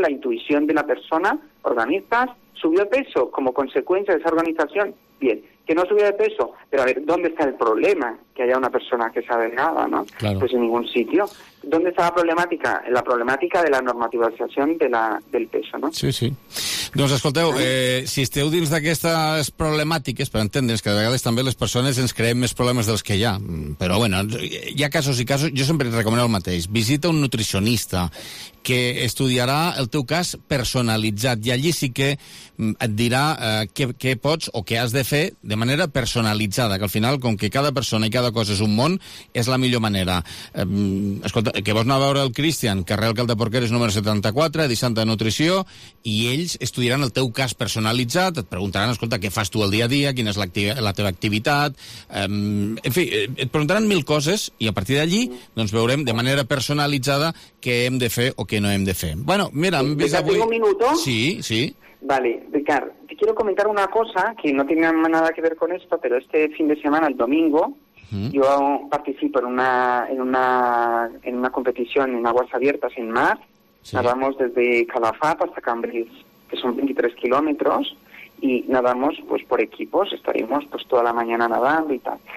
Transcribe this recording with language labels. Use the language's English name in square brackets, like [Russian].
[Spanish] La intuición de la persona, organizas, subió de peso como consecuencia de esa organización. Bien, que no subió de peso, pero a ver, ¿dónde está el problema que haya una persona que sea delgada, ¿no? Claro. Pues en ningún sitio. ¿Dónde está la problemática? La problemática de la normativización del peso, ¿no? Sí, sí. [Catalan] Doncs escolteu, si esteu dins d'aquestes problemàtiques, per entendre's, que de vegades també les persones ens creem més problemes dels que hi ha, però bueno, hi ha casos i casos, jo sempre recomano el mateix, visita un nutricionista que estudiarà el teu cas personalitzat i allí sí que et dirà què pots o què has de fer de manera personalitzada, que al final, com que cada persona i cada cosa és un món, és la millor manera. Escolta, que vols anar a veure el Cristian, carrer Alcalde de Porqueres número 74, dissabte de nutrició, i ells estudiaran el teu cas personalitzat, et preguntaran, escolta, què fas tu el dia a dia, quina és la teva activitat, en fi, et preguntaran mil coses i a partir d'allí, doncs veurem de manera personalitzada què hem de fer o què no hem de fer. Bueno, mira, hem vist avui... [Spanish] ¿Tengo un minuto? Sí, sí. Vale, Ricard, te quiero comentar una cosa que no tiene nada que ver con esto, pero este fin de semana, el domingo, yo participo en una competición en aguas abiertas en mar. Sí. Nadamos desde Calafat hasta Cambrils, que son 23 kilómetros, y nadamos pues por equipos, estaremos pues toda la mañana nadando y tal.